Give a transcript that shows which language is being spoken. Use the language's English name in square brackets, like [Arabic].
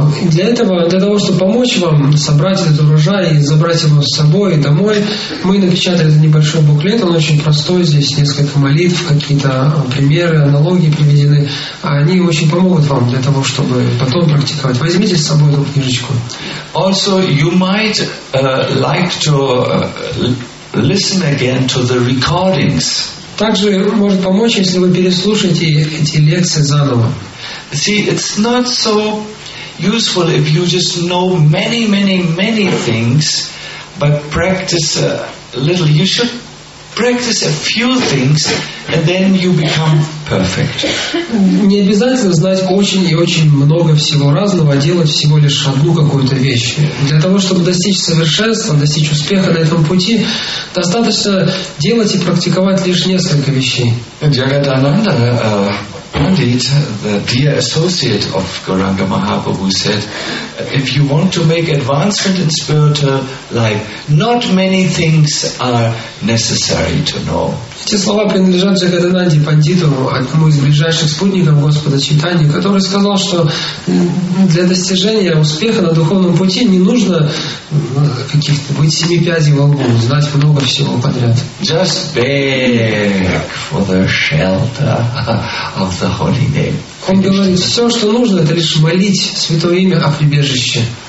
[Russian] Для того, чтобы помочь вам собрать этот урожай и забрать его с собой домой, мы напечатали этот небольшой буклет. Он очень простой. Здесь несколько молитв, какие-то примеры, аналогии приведены. Они очень помогут вам для того, чтобы потом практиковать. Возьмите с собой эту книжечку. [English] Also, you might like to listen again to the recordings. [Russian] Также может помочь, если вы переслушаете эти лекции заново. [English] See, it's not so useful if you just know many, many, many things, but practice a little. You should practice a few things, and then you become perfect. [Russian] Не обязательно знать очень и очень много всего разного, а делать всего лишь одну какую-то вещь. Для того, чтобы достичь совершенства, достичь успеха на этом пути, достаточно делать и практиковать лишь несколько вещей. [English] Jagadananda, the dear associate of Gauranga Mahaprabhu, said, if you want to make advancement in spiritual life, not many things are necessary to know. [Russian] Эти слова принадлежат Джагадананде, пандиту, одному из ближайших спутников Господа Чайтаньи, который сказал, что для достижения успеха на духовном пути не нужно каких-то быть семи пядей во лбу, знать много всего подряд. [English] Just beg for the shelter of the holy name. [Russian] Он говорит, все, что нужно, это лишь молить святое имя о прибежище.